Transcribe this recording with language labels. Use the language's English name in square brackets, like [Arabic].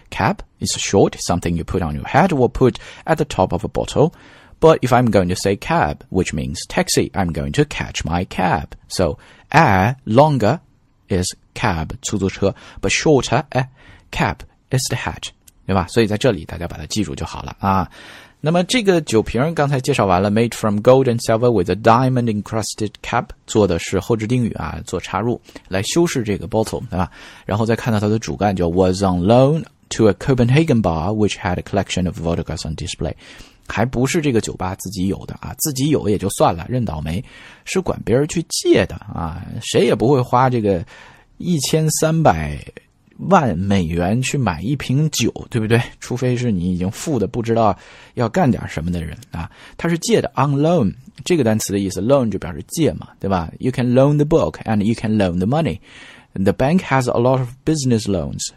[English] cab is short, something you put on your head or put at the top of a bottle. But if I'm going to say cab, which means taxi, I'm going to catch my cab. So, a longer is cab, [Chinese] 出租车, [English] but shorter, a cab is the hat, [Chinese] 对吧？所以在这里大家把它记住就好了啊。那么这个酒瓶刚才介绍完了 , [English] made from gold and silver with a diamond encrusted cap, [Chinese] 做的是后置定语啊，做插入来修饰这个 bottle, 对吧？然后再看到它的主干叫 [English] was on loan to a Copenhagen bar which had a collection of vodkas on display, [Chinese] 还不是这个酒吧自己有的啊，自己有也就算了，认倒霉，是管别人去借的啊，谁也不会花这个1300 万美元去买一瓶酒，对不对？除非是你已经富的不知道要干点什么的人啊。他是借的 [English] on loan， [Chinese] 这个单词的意思 loan 就表示借嘛，对吧？ [English] You can loan the book and you can loan the money. The bank has a lot of business loans.